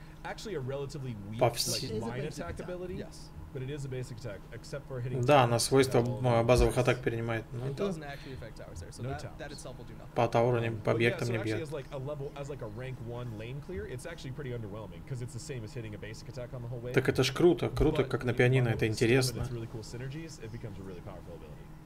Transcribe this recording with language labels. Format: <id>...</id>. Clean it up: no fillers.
<en>Actually, a relatively weak line attack ability. Yes. but it is a basic attack, except for hitting.</en> <ru>Да, она свойства базовых атак перенимает. Ну,</ru> <en>it doesn't actually affect towers there, so no that itself will do nothing.</en> <ru>По тауру не, по объектам не бьет.</ru> <en>As like a level, as like a rank one lane clear, it's actually pretty underwhelming, because it's the same as hitting a basic attack on the whole way.</en> <ru>Так это ж круто, круто, как на пианино, это интересно.</ru> <en>It's really cool synergies, it becomes a really powerful ability.</en>